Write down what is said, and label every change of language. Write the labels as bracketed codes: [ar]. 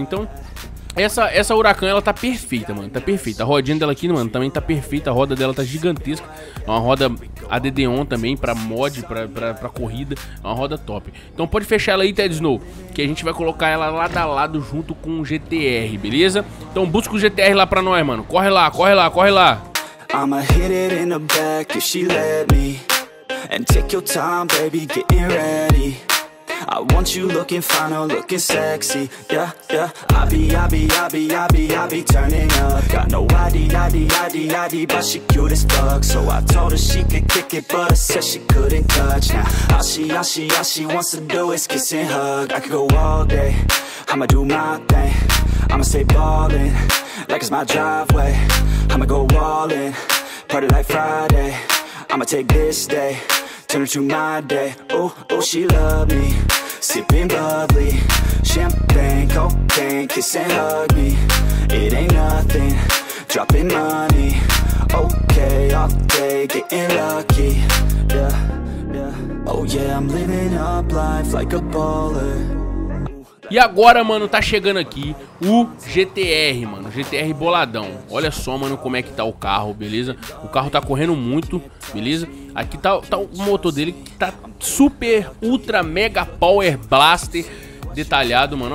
[pt] Então, essa Huracan, ela tá perfeita, mano. Tá perfeita. A rodinha dela aqui, mano, também tá perfeita. A roda dela tá gigantesca. É uma roda ADD-ON também, pra mod, pra corrida. É uma roda top. Então pode fechar ela aí, Ted Snow, que a gente vai colocar ela lado a lado junto com o GTR, beleza? Então busca o GTR lá pra nós, mano. Corre lá. [en] I'ma hit it in the back if she let me. And take your time, baby, getting ready. I want you looking fine, oh, looking sexy. Yeah, yeah. I be turning up. Got no ID, but she cute as fuck. So I told her she could kick it, but I said she couldn't touch. Now, all she wants to do is kiss and hug. I could go all day, I'ma do my thing. I'ma stay ballin', like it's my driveway. I'ma go all in, party like Friday. I'ma take this day, turn it to my day. Oh, oh, she love me. Sipping bubbly, champagne, cocaine. Kiss and hug me, it ain't nothing. Dropping money, okay, all day. Getting lucky, yeah, yeah. Oh yeah, I'm living up life like a baller. [pt] E agora, mano, tá chegando aqui o GTR, mano, GTR boladão. Olha só, mano, como é que tá o carro, beleza? O carro tá correndo muito, beleza? Aqui tá o motor dele que tá super, ultra, mega power blaster detalhado, mano.